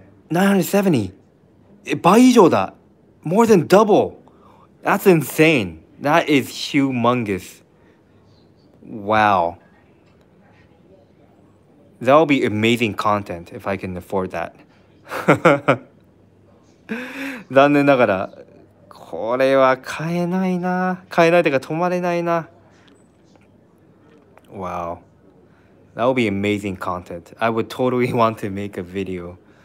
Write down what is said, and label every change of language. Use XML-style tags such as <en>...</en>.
<en>970.</en> <ja>倍以上だ。</ja> <en>More than double. That's insane. That is humongous. Wow. That will be amazing content if I can afford that.</en> <ja>残念ながらこれは買えないな、買えないというか泊まれないな。</ja> <en>Wow, that will be amazing content. I would totally want to make a video.</en>